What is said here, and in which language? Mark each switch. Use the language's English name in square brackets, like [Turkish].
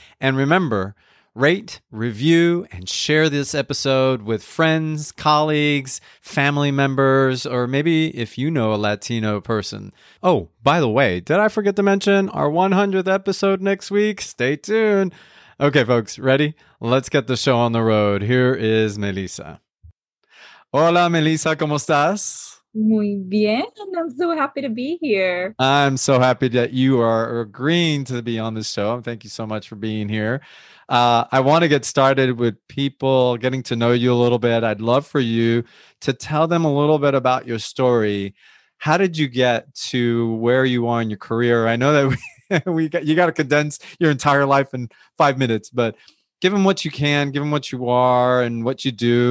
[English] And remember, rate, review, and share this episode with friends, colleagues, family members, or maybe if you know a Latino person. Oh, by the way, did I forget to mention our 100th episode next week? Stay tuned. Okay, folks, ready? Let's get the show on the road. Here is Melissa. [Spanish] Hola, Melissa, ¿cómo estás? Muy bien. [English] I'm so happy to be here. I'm so happy that you are agreeing to be on the show. Thank you so much for being here. I want to get started with people getting to know you a little bit. I'd love for you to tell them a little bit about your story. How did you get to where you are in your career? I know that you got to condense your entire life in 5 minutes, but give them what you can, give them what you are and what you do.